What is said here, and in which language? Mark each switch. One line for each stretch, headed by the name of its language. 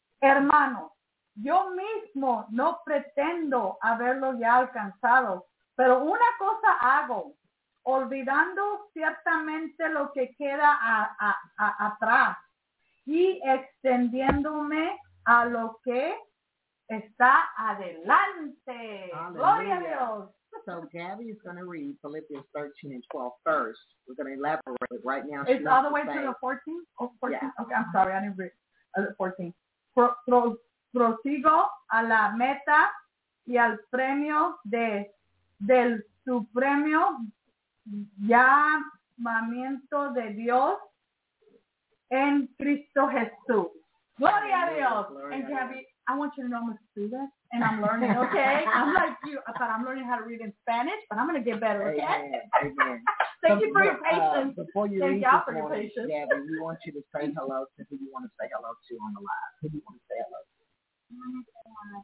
Spanish: Hermano, yo mismo no pretendo haberlo ya alcanzado, pero una cosa hago, olvidando ciertamente lo que queda atrás y extendiéndome a lo que está adelante. Aleluya. Gloria a Dios.
English: So Gabby is going to read Philippians 13 and 12 first. We're going to elaborate it right now. It's all the way to the 14? Oh, 14. Yeah. Okay, I'm sorry. I didn't read 14.
Spanish: Prosigo a la meta y al premio del supremo llamamiento de Dios en Cristo Jesús. Gloria a Dios. Gloria.
English: And Gabby, I want you to know I'm a student. And I'm learning, okay? I'm like you. I thought I'm learning how to read in Spanish, but I'm going to get better, okay? Amen. Thank you for your patience. Before you thank y'all for your patience. Yeah, but we want you to say hello to who you want to say hello to on the live. Who do you want to say hello to?